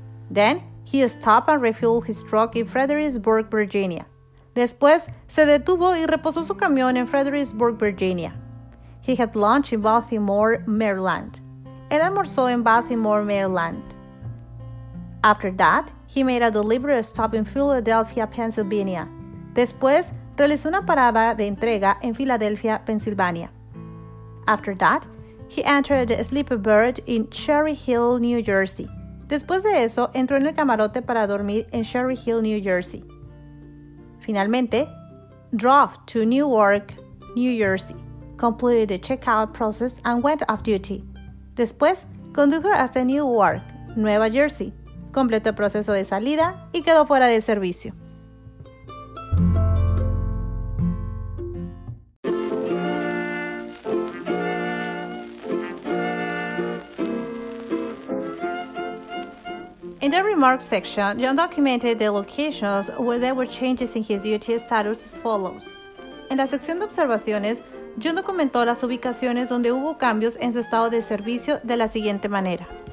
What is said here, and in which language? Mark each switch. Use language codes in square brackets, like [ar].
[en] Then, he stopped and refueled his truck in Fredericksburg, Virginia. [es] Después, se detuvo y reposó su camión en Fredericksburg, Virginia. [en] He had lunch in Baltimore, Maryland. [es] Él almorzó en Baltimore, Maryland. [en] After that, he made a delivery stop in Philadelphia, Pennsylvania. [es] Después, realizó una parada de entrega en Filadelfia, Pennsylvania. [en] After that, he entered the sleeper berth in Cherry Hill, New Jersey. [es] Después de eso, entró en el camarote para dormir en Cherry Hill, New Jersey. [en] Finalmente, drove to Newark, New Jersey, completed the checkout process and went off duty. [es] Después, condujo hasta Newark, Nueva Jersey, completó el proceso de salida y quedó fuera de servicio. [en] In the remarks section, John documented the locations where there were changes in his duty status as follows. [es] En la sección de observaciones, John documentó las ubicaciones donde hubo cambios en su estado de servicio de la siguiente manera.